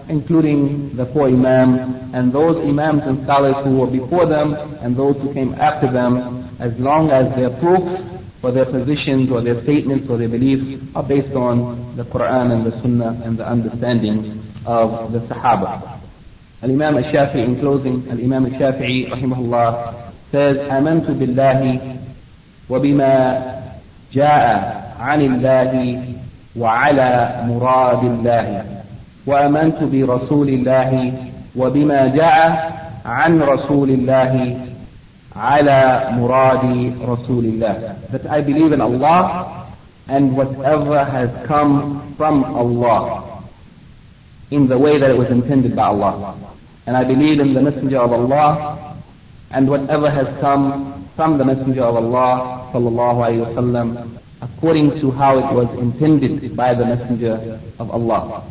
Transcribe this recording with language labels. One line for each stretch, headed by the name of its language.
English: including the four imams, and those imams and scholars who were before them, and those who came after them, as long as their proofs for their positions or their statements or their beliefs are based on the Qur'an and the Sunnah and the understanding of the Sahaba. Al-Imam al-Shafi'i, in closing, Al-Imam al-Shafi'i, rahimahullah, says,
Arabic: آمَنْتُ بِاللَّهِ وَبِمَا جَاءَ عَنِ اللَّهِ وَعَلَى مُرَادِ اللَّهِ وَأَمَنْتُ بِرَسُولِ اللَّهِ وَبِمَا جَاءَ عَنْ رَسُولِ اللَّهِ عَلَى مُرَادِ رَسُولِ اللَّهِ.
English: That I believe in Allah and whatever has come from Allah in the way that it was intended by Allah. And I believe in the Messenger of Allah and whatever has come from the Messenger of Allah sallallahu alayhi wa sallam, according to how it was intended by the Messenger of Allah.